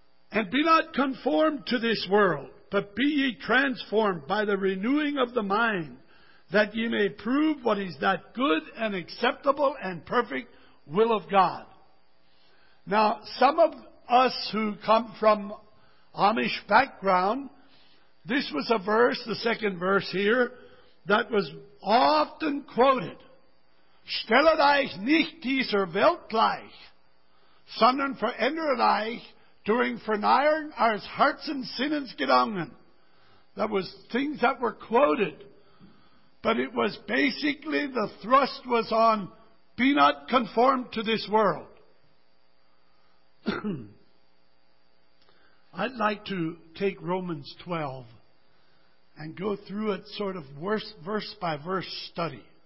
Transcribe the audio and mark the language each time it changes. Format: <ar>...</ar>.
<en>And be not conformed to this world, but be ye transformed by the renewing of the mind, that ye may prove what is that good and acceptable and perfect will of God. Now, some of us who come from Amish background, this was a verse, the second verse here, that was often quoted.</en> <de>Stelle dich nicht dieser Welt gleich, sondern verändere dich durch Verneuerung eures Herzens und Sinnes Gedanken.</de> <en>That was things that were quoted. But it was basically, the thrust was on, be not conformed to this world. I'd like to take Romans 12 and go through it sort of verse by verse study.</en>